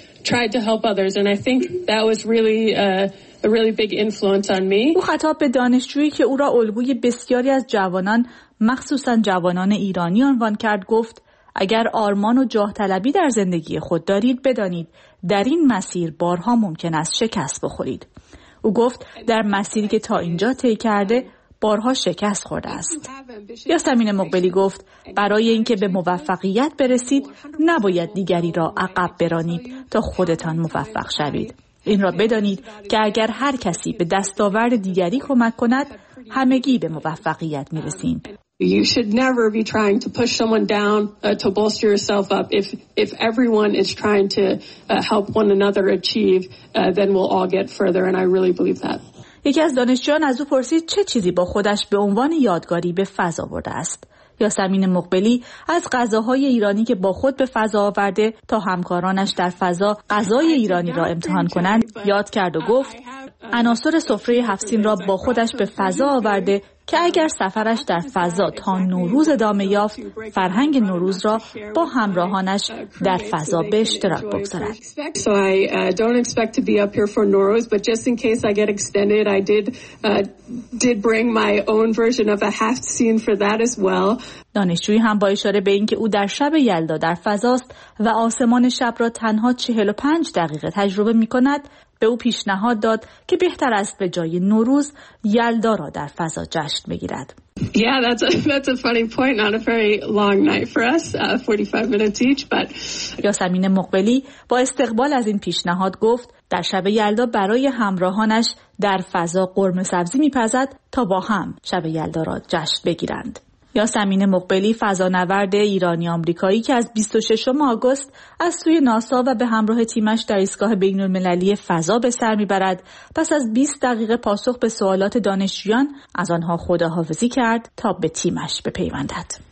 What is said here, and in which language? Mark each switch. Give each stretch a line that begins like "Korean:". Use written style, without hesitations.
English: Tried to help others, and I think that was really a really big influence on me.
Persian: او خطاب به دانشجویی که او را الگوی بسیاری از جوانان، مخصوصا جوانان ایرانی، عنوان کرد گفت: اگر آرمان و جاه طلبی در زندگی خود دارید، بدانید در این مسیر بارها ممکن است شکست بخورید. او گفت: در مسیری که تا اینجا طی کرده، بارها شکست خورده است. یاسمین مقبلی گفت: برای اینکه به موفقیت برسید، نباید دیگری را عقب برانید تا خودتان موفق شوید. این را بدانید که اگر هر کسی به دستاورد دیگری کمک کند، همگی به موفقیت می‌رسیم.
English: You should never be trying to push someone down to bolster yourself up. If everyone is trying to help one another achieve, then we'll all get further, and I really believe that.
Persian: یکی از دانشجویان از او پرسید چه چیزی با خودش به عنوان یادگاری به فضا برده است. یاسمین مقبلی از غذاهای ایرانی که با خود به فضا آورده تا همکارانش در فضا غذای ایرانی را امتحان کنند یاد کرد و گفت عناصر سفره هفت‌سین را با خودش به فضا آورده که اگر سفرش در فضا تا نوروز ادامه یافت فرهنگ نوروز را با همراهانش در فضا به اشتراک بگذارد.
English: So I don't expect to be up here for Noroz, but just in case I get extended, I did bring my own version of a haft scene for that as well.
Persian: دانشجوی هم با اشاره به اینکه او در شب یلدا در فضاست و آسمان شب را تنها 45 دقیقه تجربه می‌کند، به او پیشنهاد داد که بهتر است به جای نوروز یلدا را در فضا جشن بگیرد.
English: Yeah, that's a funny point. Not a very long night for us, 45 minutes each, but
Persian: یاسمین مقبلی با استقبال از این پیشنهاد گفت در شب یلدا برای همراهانش در فضا قرمه سبزی می‌پزد تا با هم شب یلدا را جشن بگیرند. یاسمین مقبلی فضانورد ایرانی آمریکایی که از 26 آگوست از سوی ناسا و به همراه تیمش در ایستگاه بین‌المللی فضا به سر می‌برد، پس از 20 دقیقه پاسخ به سوالات دانشجویان از آنها خداحافظی کرد تا به تیمش بپیوندد.